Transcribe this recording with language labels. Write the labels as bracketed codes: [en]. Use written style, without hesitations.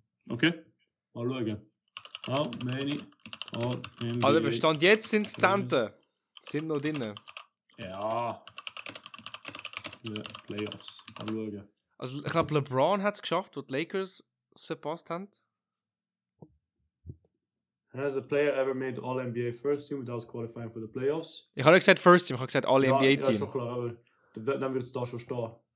[de] Okay? Mal schauen. [en] How many All-NBA... [de] Also Bestand jetzt sind es 10. Sind noch drin. Ja. Playoffs. Mal schauen. Also ich glaube, LeBron hat es geschafft, wo die Lakers es verpasst haben. [en] Has a player ever made All-NBA First Team without qualifying for the playoffs? [de] Ich habe nicht gesagt First Team, ich habe gesagt All-NBA Team. Ja, schon klar, aber dann wird es da schon stehen.